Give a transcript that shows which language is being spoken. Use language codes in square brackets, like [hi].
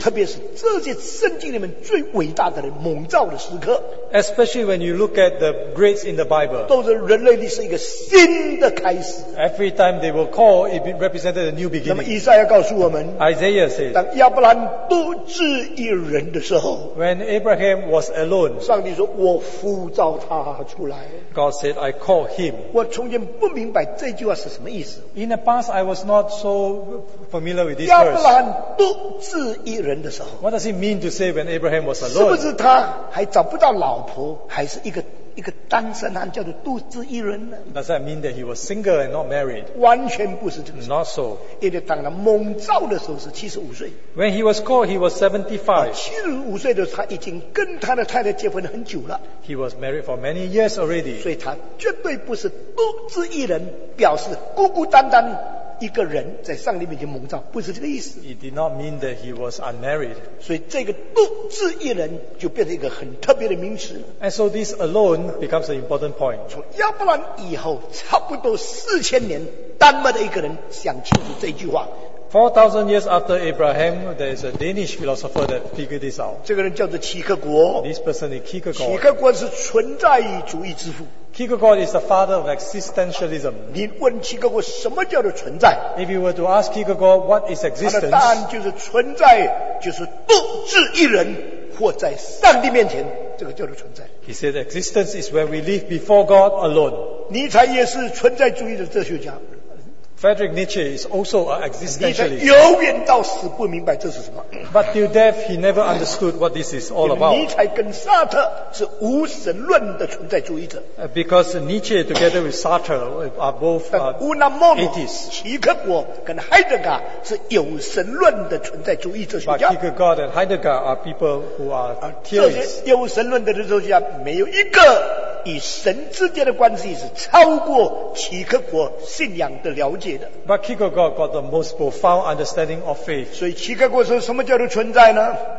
[zh] 特别是这些圣经里面最伟大的人蒙召的时刻， [en] especially when you look at the greats in the Bible, [zh] 都是人类历史一个新的开始， [en] every time they were called, it represented a new beginning. [zh] 那么以赛亚告诉我们， [en] Isaiah says, [zh] 当亚伯兰独自一人的时候， [en] when Abraham was alone, [zh] 上帝说我呼召他出来， [en] God said, I call him. [zh] 我从前不明白这句话是什么意思。 [en] In the past, I was not so familiar with this verse. [zh] 亚伯兰独自一人的时候。 [en] What does it mean to say when Abraham was alone? [zh] 是不是他还找不到老婆，还是一个单身男叫做独自一人呢？ [en] Does that mean that he was single and not married? [zh] 完全不是这个。 [en] Not so. [zh] 因为当他蒙召的时候是75岁。 [en] When he was called, he was 75. [zh] 75岁的时候他已经跟他的太太结婚很久了。 [en] He was married for many years already. [zh] 所以他绝对不是独自一人，表示孤孤单单一个人在上帝面前蒙召，不是这个意思。 [en] It did not mean that he was unmarried. [zh] 所以这个独自一人就变成一个很特别的名词。 [en] And so this alone becomes an important point. [zh] 从亚伯兰以后，差不多4000年，丹麦的一个人想清楚这句话。 [en] 4,000 years after Abraham, there is a Danish philosopher that figured this out. [zh] 这个人叫做齐克国。 [en] This person is Kierkegaard. [zh] 齐克国是存在主义之父。 [en] Kierkegaard is the father of existentialism. [zh] 你问齐克国什么叫做存在？ [en] If you were to ask Kierkegaard what is existence, [zh] 他的答案就是存在就是独自一人或在上帝面前，这个叫做存在。 [en] He said existence is where we live before God alone. [zh] 尼采也是存在主义的哲学家。 [en] Friedrich Nietzsche is also an existentialist. [zh] 永远到死不明白这是什么。 [en] But till death, he never understood what this is all about. [zh] 尼采跟萨特是无神论的存在主义者。 [en] Because Nietzsche together with Sartre are both atheists. [zh] 齐克果跟海德格是有神论的存在主义哲学家。 [en] But Kierkegaard and Heidegger are people who are theists. [zh] 这些有神论的哲学家没有一个与神之间的关系是超过齐克果信仰的了解。 [en] But Kierkegaard got the most profound understanding of faith. [zh] 所以齐克果说什么叫做存在呢？